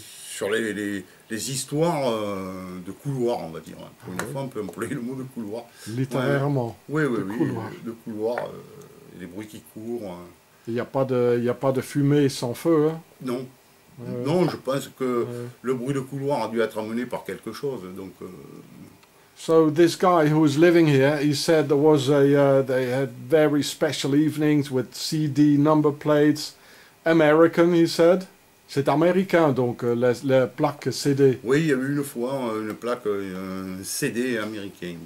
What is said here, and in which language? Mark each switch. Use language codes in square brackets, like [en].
[fr] Sur les histoires de couloirs, on va dire. Pour une fois, on peut employer le mot de couloir. Littérairement. Oui, de couloir. Les bruits qui courent. Il n'y a pas de fumée sans feu. Hein. Non. Non, je pense que le bruit de couloir a dû être amené par quelque chose. Donc. [en] So this guy who was living here, he said there was a they had very special evenings with CD number plates, American, he said. [fr] C'est américain, donc, la plaque CD. Oui, il y a eu une fois une plaque CD américaine, il me